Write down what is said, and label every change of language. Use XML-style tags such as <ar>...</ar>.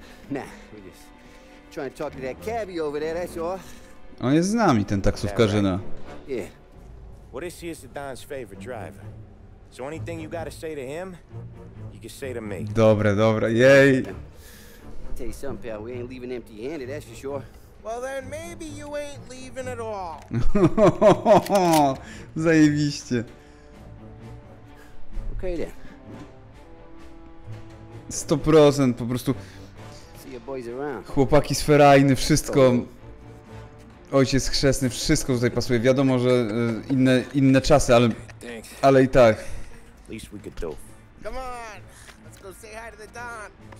<en>Nah, we just trying to talk to that cabbie over there, that's all.</en> <pl>On jest z nami, ten taksówkarzyna.</pl> <en>Yeah. What is he is the Don's favorite driver? So anything you gotta say to him, you can say to me.</en> <pl>Dobre, dobre, yay!</pl> <en>Tell you something, pal, we ain't leaving empty-handed, that's for sure. Well then, maybe you ain't leaving at all.</en> <pl>Zajebiście.</pl> <en>Okay then.</en> <pl>100% po prostu. Chłopaki z Ferajny, wszystko. Ojciec chrzestny, wszystko tutaj pasuje. Wiadomo, że inne czasy, ale i tak.</pl> <en>Come on, let's go say hi to the Don.</en>